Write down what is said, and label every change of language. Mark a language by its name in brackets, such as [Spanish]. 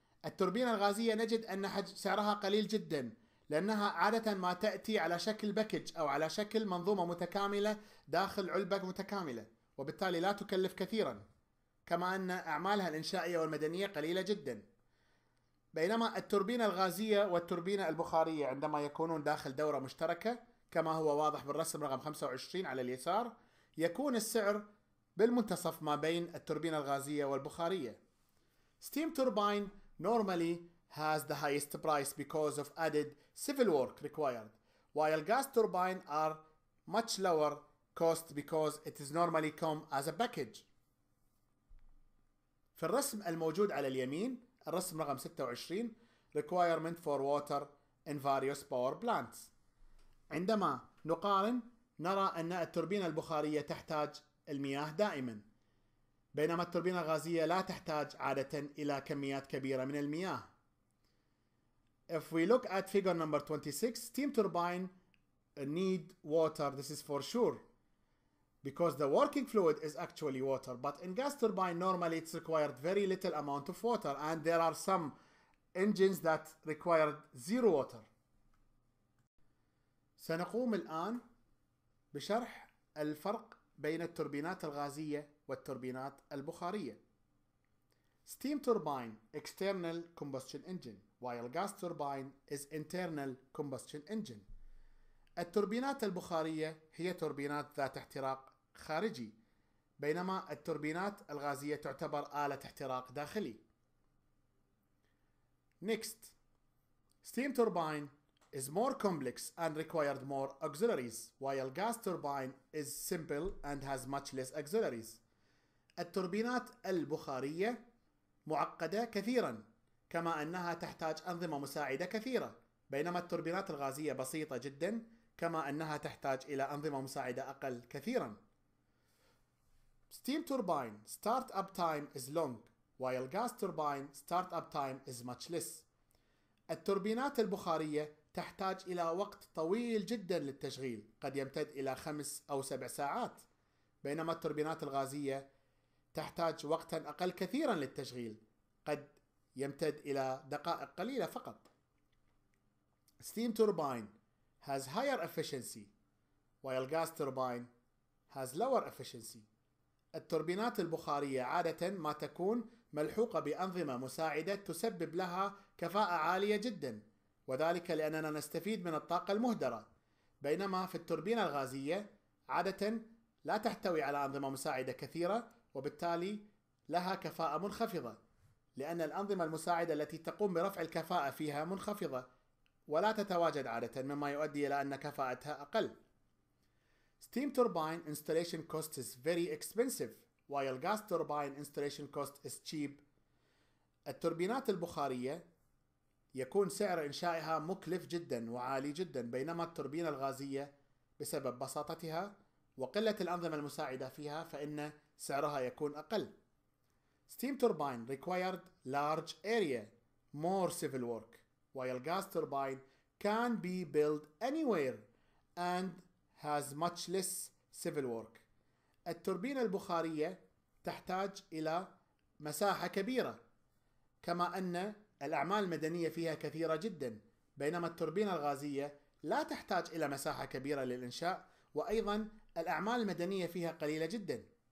[Arabic] التوربينة الغازية نجد أن سعرها قليل جدا لأنها عادة ما تأتي على شكل باكج أو على شكل منظومة متكاملة داخل علبة متكاملة، وبالتالي لا تكلف كثيرا، كما أن أعمالها الإنشائية والمدنية قليلة جدا. بينما التوربينة الغازية والتوربينة البخارية عندما يكونون داخل دورة مشتركة كما هو واضح بالرسم رقم 25 على اليسار، يكون السعر بالمنتصف ما بين التوربينة الغازية والبخارية. [English] Steam turbine normally has the highest price because of added civil work required, while gas turbine are much lower cost because it is normally come as a package. [Arabic] في الرسم الموجود على اليمين، الرسم رقم 26 [English] requirement for water in various power plants، [Arabic] عندما نقارن نرى أن التوربينة البخارية تحتاج المياه دائما، بينما التوربينة الغازية لا تحتاج عادة إلى كميات كبيرة من المياه. [English] If we look at figure number 26, steam turbine need water, this is for sure, because the working fluid is actually water. But in gas turbine, normally it's required very little amount of water, and there are some engines that required zero water. [Arabic] سنقوم الآن بشرح الفرق بين التوربينات الغازية والتوربينات البخارية. [English] Steam turbine external combustion engine, while gas turbine is internal combustion engine. [Arabic] التوربينات البخارية هي توربينات ذات احتراق خارجي، بينما التوربينات الغازية تعتبر آلة احتراق داخلي. [English] Next, steam turbine is more complex and required more auxiliaries, while gas turbine is simple and has much less auxiliaries. [Arabic] التوربينات البخارية معقدة كثيرا، كما أنها تحتاج أنظمة مساعدة كثيرة، بينما التوربينات الغازية بسيطة جدا، كما أنها تحتاج إلى أنظمة مساعدة أقل كثيرا. [English] Steam turbine start-up time is long, while gas turbine start-up time is much less. [Arabic] التوربينات البخارية تحتاج إلى وقت طويل جدا للتشغيل، قد يمتد إلى 5 أو 7 ساعات، بينما التوربينات الغازية تحتاج وقتا أقل كثيرا للتشغيل، قد يمتد إلى دقائق قليلة فقط. [English] Steam turbine has higher efficiency, while gas turbine has lower efficiency. [Arabic] التوربينات البخارية عادة ما تكون ملحوقة بأنظمة مساعدة تسبب لها كفاءة عالية جدا، وذلك لأننا نستفيد من الطاقة المهدرة، بينما في التوربينة الغازية عادة لا تحتوي على أنظمة مساعدة كثيرة، وبالتالي لها كفاءة منخفضة، لأن الأنظمة المساعدة التي تقوم برفع الكفاءة فيها منخفضة ولا تتواجد عادة، مما يؤدي إلى أن كفاءتها أقل. [English] Steam turbine installation cost is very expensive, while gas turbine installation cost is cheap. [Arabic] التوربينات البخارية يكون سعر إنشائها مكلف جدا وعالي جدا، بينما التوربينة الغازية بسبب بساطتها وقلة الأنظمة المساعدة فيها فإن سعرها يكون أقل. [English] Steam turbine required large area, more civil work, while gas turbine can be built anywhere and has much less civil work. [Arabic] التوربينة البخارية تحتاج إلى مساحة كبيرة، كما أن الأعمال المدنية فيها كثيرة جدا، بينما التوربينة الغازية لا تحتاج إلى مساحة كبيرة للإنشاء، وأيضا الأعمال المدنية فيها قليلة جدا.